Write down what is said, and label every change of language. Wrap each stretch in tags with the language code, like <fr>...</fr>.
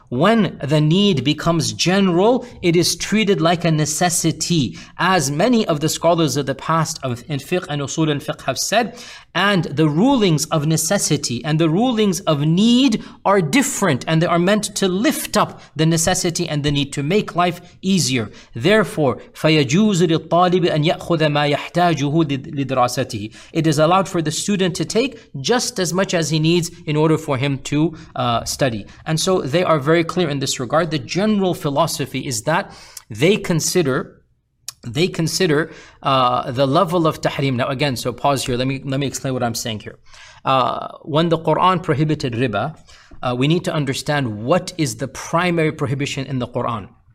<en>When the need becomes general, it is treated like a necessity. As many of the scholars of the past of in fiqh and usul and fiqh have said, and the rulings of necessity and the rulings of need are different, and they are meant to lift up the necessity and the need to make life easier. Therefore,</en> <ar>فَيَجُوزُ لِلطَّالِبِ أَنْ يَأْخُذَ مَا يَحْتَاجُهُ لِدْرَاسَتِهِ.</ar> <en>It is allowed for the student to take just as much as he needs in order for him to study. And so they are very clear in this regard. The general philosophy is that they consider the level of tahrim. Now again, so pause here. Let me explain what I'm saying here. When the Quran prohibited riba, we need to understand what is the primary prohibition in the Quran.</en>